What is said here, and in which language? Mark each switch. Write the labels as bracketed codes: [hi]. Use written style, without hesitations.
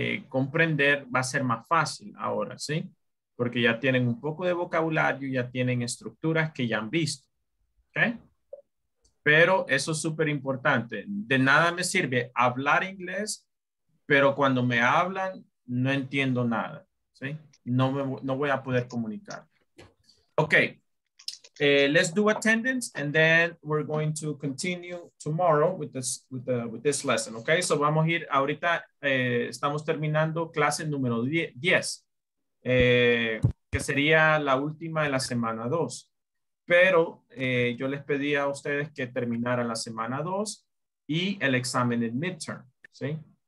[es] comprender va a ser más fácil ahora, ¿sí? Porque ya tienen un poco de vocabulario, ya tienen estructuras que ya han visto, ¿ok? Pero eso es súper importante. De nada me sirve hablar inglés, pero cuando me hablan, no entiendo nada, ¿sí? No voy a poder comunicar. [en] Ok, let's do attendance and then we're going to continue tomorrow with this lesson. [es] Okay, so vamos a ir ahorita. Estamos terminando clase número 10, que sería la última de la semana 2. Pero yo les pedí a ustedes que terminara la semana 2 y el examen del midterm. ¿Sí?